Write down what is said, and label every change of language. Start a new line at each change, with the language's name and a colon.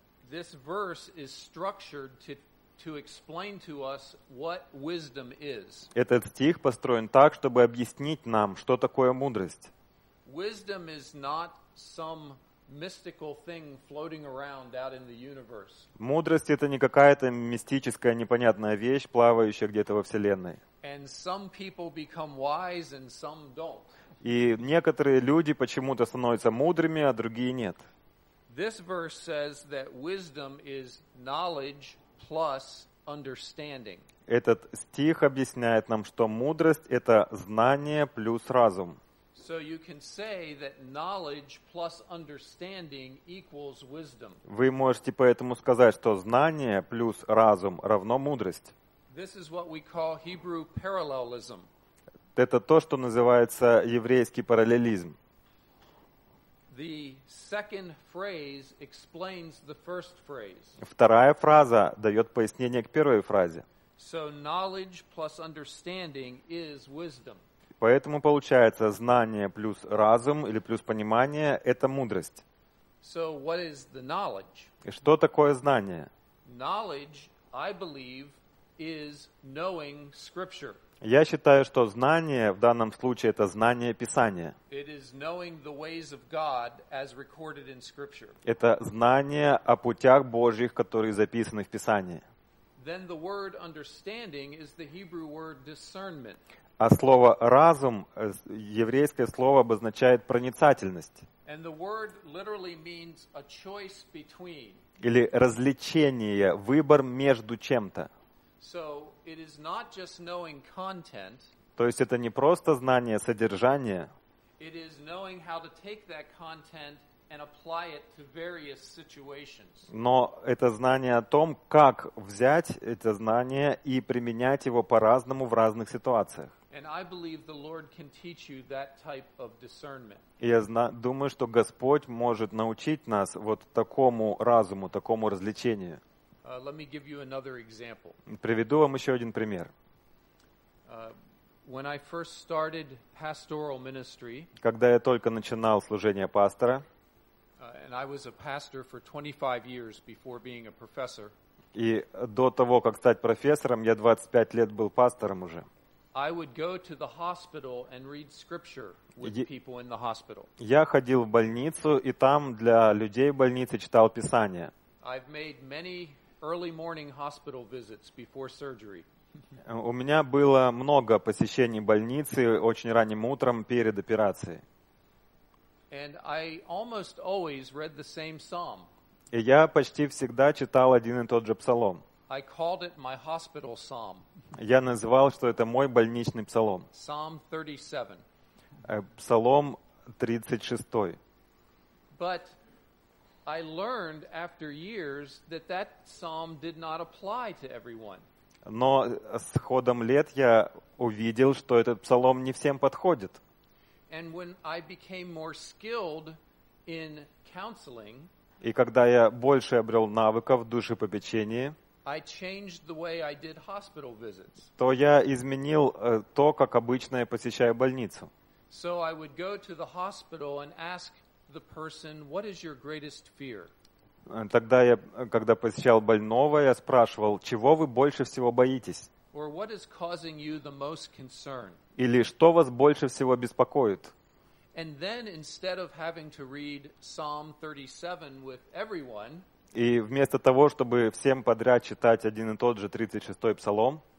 English: this verse is structured to explain to us what wisdom is.
Russian: Этот стих построен так, чтобы объяснить нам, что такое мудрость.
English: Wisdom is not some mystical thing floating around out in the universe.
Russian: Мудрость — это не какая-то мистическая непонятная вещь, плавающая где-то во Вселенной.
English: And some people become wise and some don't.
Russian: И некоторые люди почему-то становятся мудрыми, а другие нет.
English: This verse says that wisdom is knowledge plus understanding.
Russian: Этот стих объясняет нам, что мудрость — это знание плюс разум.
English: So you can say that knowledge plus understanding equals wisdom.
Russian: Вы можете поэтому сказать, что знание плюс разум равно мудрость.
English: This is what we call Hebrew parallelism.
Russian: Это то, что называется еврейский параллелизм.
English: The second phrase explains the first phrase.
Russian: Вторая фраза дает пояснение к первой фразе.
English: So knowledge plus understanding is wisdom.
Russian: Поэтому получается, знание плюс разум или плюс понимание — это мудрость.
English: So what is the knowledge?
Russian: И что такое знание?
English: Knowledge, I believe, is knowing scripture.
Russian: Я считаю, что знание в данном случае — это знание Писания.
English: It is knowing the ways of God as recorded in scripture.
Russian: Это знание о путях Божьих, которые записаны в Писании.
English: Then the word understanding is the Hebrew word discernment.
Russian: А слово «разум», еврейское слово, обозначает проницательность.
English: And the word literally means a choice between.
Russian: Или развлечение, выбор между чем-то.
English: So it is not just knowing content.
Russian: То есть это не просто знание содержания.
English: It is knowing how to take that content and apply it to various situations.
Russian: Но это знание о том, как взять это знание и применять его по-разному в разных ситуациях.
English: And I believe the Lord can teach you that type of discernment.
Russian: Я думаю, что Господь может научить нас вот такому разуму, такому развлечению.
English: Let me give you another example.
Russian: Приведу вам еще один пример.
English: When I first started pastoral ministry,
Russian: когда я только начинал служение пастора,
English: and I was a pastor for 25 years before being a professor.
Russian: И до того, как стать профессором, я 25 лет был пастором уже.
English: I would go to the hospital and read scripture with people in the hospital.
Russian: Я ходил в больницу и там для людей в больнице читал Писание.
English: I've made many early morning hospital visits before surgery.
Russian: У меня было много посещений больницы очень ранним утром перед операцией.
English: And I almost always read the same psalm.
Russian: И я почти всегда читал один и тот же псалом.
English: I called it my hospital psalm.
Russian: Я называл, что это мой больничный псалом.
English: Psalm 37.
Russian: Псалом 36.
English: But I learned after years that that psalm did not apply to everyone.
Russian: Но с ходом лет я увидел, что этот псалом не всем подходит.
English: And when I became more skilled in counseling,
Russian: и когда я больше обрел навыков в душепопечении,
English: I changed the way I did hospital visits.
Russian: То я изменил то, как обычно я посещаю больницу.
English: So I would go to the hospital and ask the person, "What is your greatest fear?"
Russian: Тогда я, когда посещал больного, я спрашивал, чего вы больше всего боитесь?
English: Or what is causing you the most concern?
Russian: Или что вас больше всего беспокоит?
English: And then instead of having to read Psalm 37 with everyone,
Russian: и вместо того, чтобы всем подряд читать один и тот же 36-й псалом,